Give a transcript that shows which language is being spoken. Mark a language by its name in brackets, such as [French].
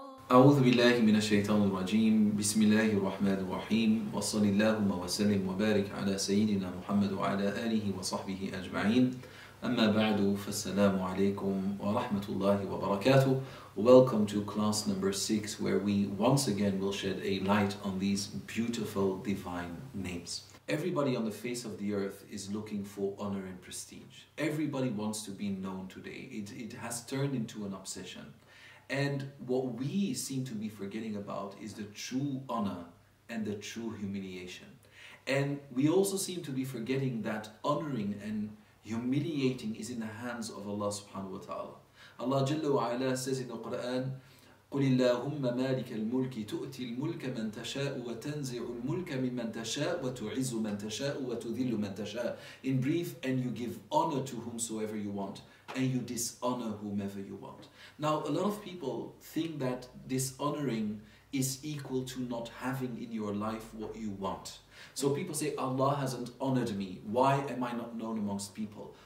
[Arabic] أعوذ بالله من الشيطان الرجيم بسم الله الرحمن الرحيم وصل اللهم وسلم وبارك على سيدنا محمد وعلى آله وصحبه أجمعين أما بعد فالسلام عليكم ورحمة الله وبركاته. [English] Welcome to class number 6, where we once again will shed a light on these beautiful divine names. Everybody on the face of the earth is looking for honor and prestige. Everybody wants to be known today. It has turned into an obsession. And what we seem to be forgetting about is the true honor and the true humiliation. And we also seem to be forgetting that honoring and humiliating is in the hands of Allah subhanahu wa ta'ala. Allah Jalla wa Ala says in the Quran, [Arabic] قُلِ اللَّهُمَّ مَالِكَ الْمُلْكِ تُؤْتِي الْمُلْكَ مَنْ تَشَاءُ وَتَنْزِعُ الْمُلْكَ مِمَّنْ تَشَاءُ وَتُعِزُّ مَنْ تَشَاءُ وَتُذِلُّ مَنْ تَشَاءُ. [English] In brief, and you give honor to whomsoever you want, and you dishonor whomever you want. Now, a lot of people think that dishonoring is equal to not having in your life what you want. So people say, Allah hasn't honored me. Why am I not known amongst people?